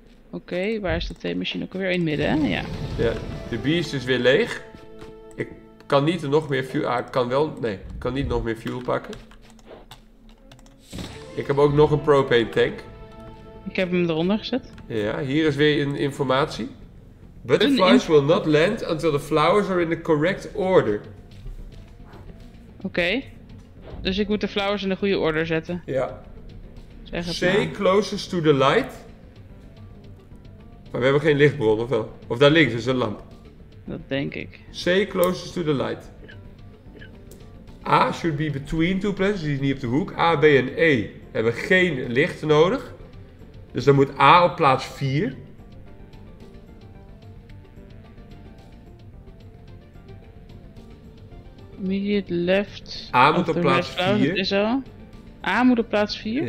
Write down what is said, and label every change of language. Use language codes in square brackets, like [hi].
[nl] Oké, waar is de theemachine ook weer? In het midden, hè? Ja. Ja, de beest is weer leeg. Ik kan niet nog meer fuel... ik kan niet nog meer fuel pakken. Ik heb ook nog een propane tank. Ik heb hem eronder gezet. Ja, hier is weer een informatie. [en] Butterflies will not land until the flowers are in the correct order. [nl] Oké. Dus ik moet de flowers in de goede order zetten. Ja. Zeg het [en] Stay [nl] maar. [en] Closest to the light. [nl] Maar we hebben geen lichtbron, of wel? Of daar links is een lamp. Dat denk ik. [en] Stay closest to the light. A should be between two plants. [nl] Die is niet op de hoek. A, B en E hebben geen licht nodig. Dus dan moet A op plaats 4. [en] Immediate left. [nl] A moet op plaats 4. Is al. A moet op plaats 4.